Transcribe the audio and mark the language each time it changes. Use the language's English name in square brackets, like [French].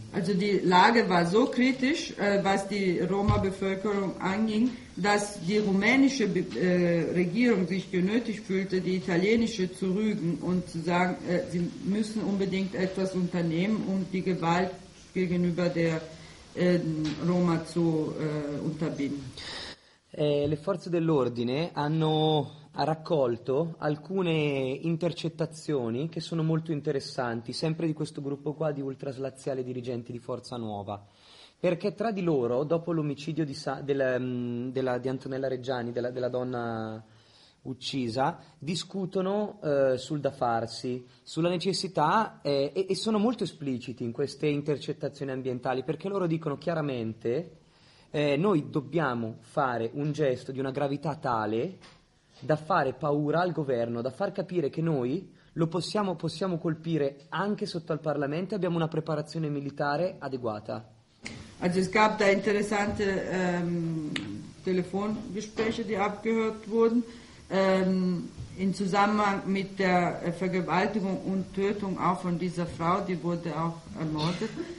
[German] Also die Lage war so kritisch, was die Roma-Bevölkerung anging, dass die rumänische Regierung sich genötigt fühlte, die italienische zu rügen und zu sagen, sie müssen unbedingt etwas unternehmen, um die Gewalt gegenüber der Roma zu unterbinden. [Italian] Le forze dell'ordine hanno raccolto alcune intercettazioni che sono molto interessanti, sempre di questo gruppo qua di ultraslaziale dirigenti di Forza Nuova, perché tra di loro, dopo l'omicidio di Antonella Reggiani, della donna uccisa, discutono sul da farsi, sulla necessità e sono molto espliciti in queste intercettazioni ambientali, perché loro dicono chiaramente noi dobbiamo fare un gesto di una gravità tale da fare paura al governo, da far capire che noi lo possiamo colpire anche sotto al Parlamento e abbiamo una preparazione militare adeguata. [German] Also es gab da interessante Telefongespräche, die abgehört wurden. In Zusammenhang mit der Vergewaltigung und Tötung auch von dieser Frau, die wurde auch ermordet.